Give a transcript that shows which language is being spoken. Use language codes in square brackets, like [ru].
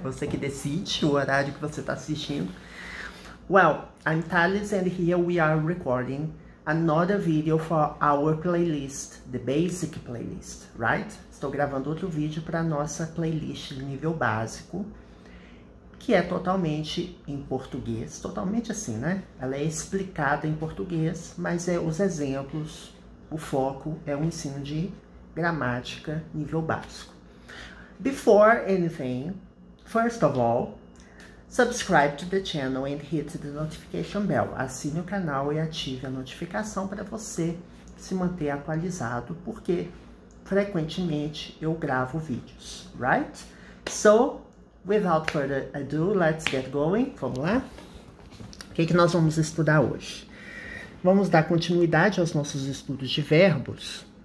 [pt] Você que decide o horário que você está assistindo. [en] Well, I'm Thales and here we are recording another video for our playlist, the basic playlist, right? [pt] Estou gravando outro vídeo para nossa playlist de nível básico, que é totalmente em português, totalmente assim, né? Ela é explicada em português, mas é os exemplos, o foco é o ensino de gramática nível básico. [en] Before anything, first of all, subscribe to the channel and hit the notification bell. [pt] Assine o canal e ative a notificação para você se manter atualizado, porque frequentemente eu gravo vídeos, right? [en] So, without further ado, let's get going. [pt] Vamos lá? O que é que nós vamos estudar hoje? Vamos dar continuidade aos nossos estudos de verbos.